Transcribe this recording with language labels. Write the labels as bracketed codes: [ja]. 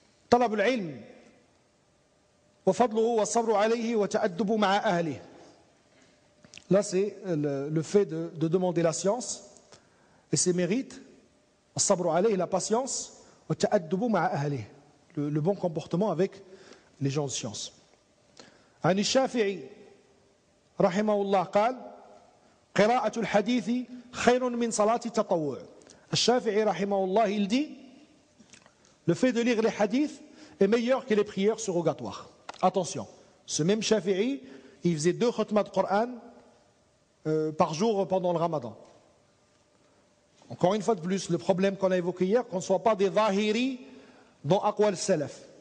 [ar] طلب العلم وفضله والصبر عليه وتأدب مع أهله. [fr] Là c'est le fait de demander la science et ses mérites. [ar] الصبر عليه, [fr] la patience. [ar] وتأدب مع أهله, [fr] le bon comportement avec les gens de science. [ar] عن الشافعي رحمه الله قال قراءة الحديث خير من صلاة التطوع. [fr] الشافعي رحمه الله il dit le fait de lire les hadiths est meilleur que les prières surrogatoires. Attention, ce même Shafi'i, il faisait 2 khutmas de Coran par jour pendant le Ramadan. Encore une fois de plus, le problème qu'on a évoqué hier, qu'on ne soit pas des zahiri dans Aqwal Salaf.